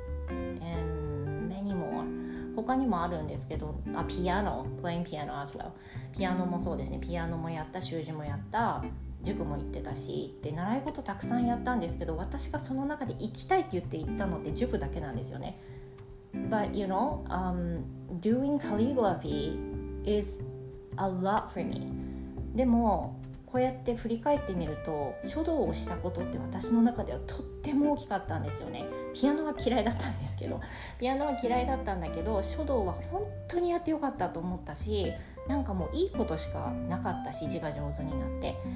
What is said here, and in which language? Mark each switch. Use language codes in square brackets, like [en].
[en] And many more. [ja] 他にもあるんですけど、あ、ピアノ、 [en] playing piano as well. [ja] ピアノもそうですね、ピアノもやった、習字もやった。塾も行ってたし、で習い事たくさんやったんですけど、私がその中で行きたいって言って行ったのって塾だけなんですよね。 [en] But you know、doing calligraphy is a lot for me. [ja] でもこうやって振り返ってみると、書道をしたことって私の中ではとっても大きかったんですよね。ピアノは嫌いだったんですけど、ピアノは嫌いだったんだけど、書道は本当にやってよかったと思ったし、なんかもういいことしかなかったし、字が上手になって、